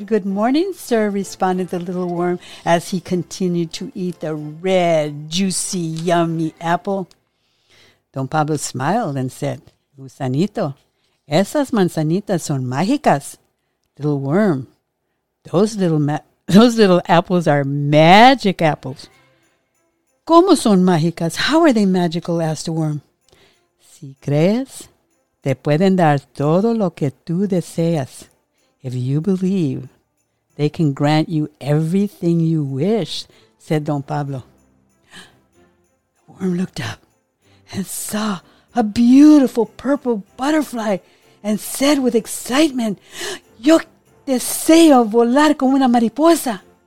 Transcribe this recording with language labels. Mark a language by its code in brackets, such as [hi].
[en] Good morning, sir, responded the little worm as he continued to eat the red, juicy, yummy apple. [es] Don Pablo [en] smiled and said, [es] gusanito, esas manzanitas son mágicas. [en] Little worm, those little apples are magic apples. [es] ¿Cómo son mágicas? [en] How are they magical? Asked the worm. [es] Si crees, te pueden dar todo lo que tú deseas. [en] If you believe, they can grant you everything you wish, said Don Pablo. The worm looked up and saw a beautiful purple butterfly and said with excitement, [es] yo deseo volar como una mariposa.